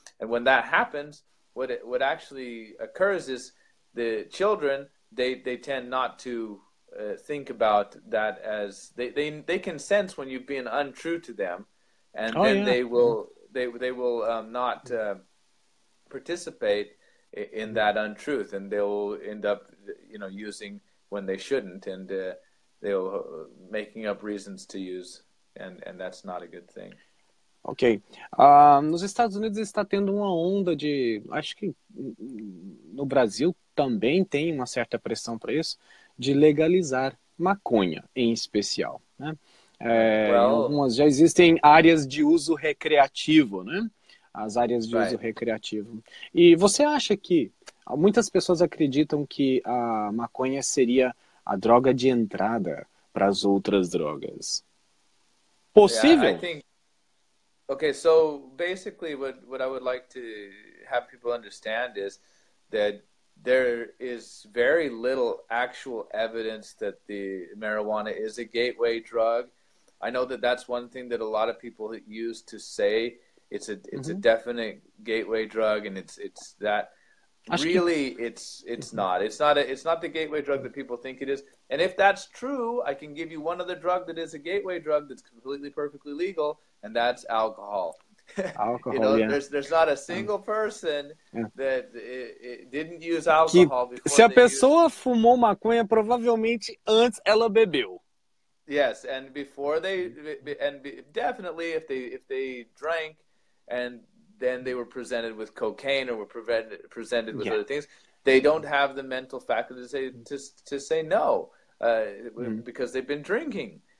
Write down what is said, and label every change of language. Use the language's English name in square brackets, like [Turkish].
[English] And when that happens, what actually occurs is the children they tend not to think about that as they can sense when you've been untrue to them, and participate in that untruth, and they'll end up using when they shouldn't, and they'll making up reasons to use, and that's not a good thing. Ok. [Portuguese] Nos Estados Unidos está tendo uma onda de... Acho que no Brasil também tem uma certa pressão para isso, de legalizar maconha, em especial. Né? Algumas já existem áreas de uso recreativo, né? As áreas de uso recreativo. E você acha que... Muitas pessoas acreditam que a maconha seria a droga de entrada para as outras drogas. Possível? [English] Okay, so basically what I would like to have people understand is that there is very little actual evidence that the marijuana is a gateway drug. I know that that's one thing that a lot of people use to say it's mm-hmm. a definite gateway drug, and it's that really it's mm-hmm. not. It's not the gateway drug that people think it is. And if that's true, I can give you one other drug that is a gateway drug that's completely perfectly legal. And that's alcohol. Alcohol, There's not a single person that didn't use alcohol [Portuguese] que, [English] before. [Portuguese] Se a pessoa fumou maconha, provavelmente antes ela bebeu. [English] Yes, and before they, and definitely if they drank, and then they were presented with cocaine or were presented with other things, they don't have the mental faculty to say no, because they've been drinking.